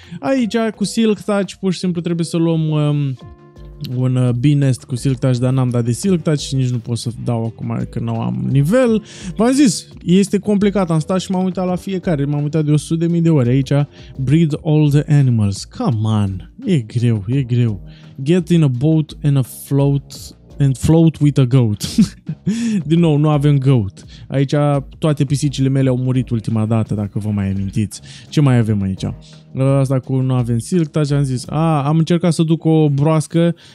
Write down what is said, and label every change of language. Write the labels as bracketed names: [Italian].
[Romanian] Aici cu Silk Touch pur și simplu trebuie să luăm un bee nest cu Silk Touch, dar n-am dat de Silk Touch și nici nu pot să dau acum că nu am nivel. V-am zis, este complicat, am stat și m-am uitat la fiecare, m-am uitat de 100.000 de ori aici. [English] Breed all the animals, come on, [Romanian] e greu. [English] Get in a boat and a float and float with a goat. [Romanian] Din nou, nu avem goat. Aici toate pisicile mele au murit ultima dată, dacă vă mai amintiți. Ce mai avem aici? Asta cu nu avem silk touch, am zis. Am încercat să duc o broască.